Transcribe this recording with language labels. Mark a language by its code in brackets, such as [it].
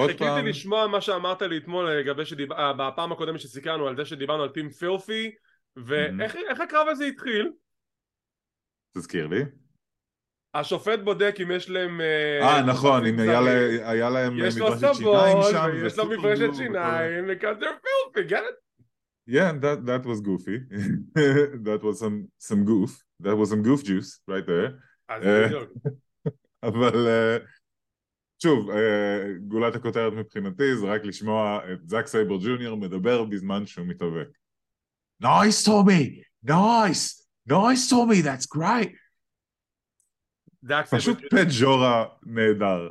[he] אני חיכיתי לשמוע מה שאמרת לי אתמול לגבי בפעם הקודמת שסיכרנו על זה שדיברנו על טים פילפי, ואיך הקרב הזה התחיל? תזכיר לי. השופט בודק אם יש להם... נכון, אם היה להם מברשת שיניים שם. יש לו סבול, ויש לו מברשת שיניים, [en] because they're filthy, get it? Yeah, that was goofy. That was some goof. That was some goof juice, right there. [he] אז בדיוק. אבל שוב, גולת הכותרת מבחינתי זה רק לשמוע את זאק סייבר ג'וניור מדבר בזמן שהוא מתאבק. [en] Nice, Tommy! Nice! Nice, Tommy! That's great! [he] פשוט פג'ורה נהדר.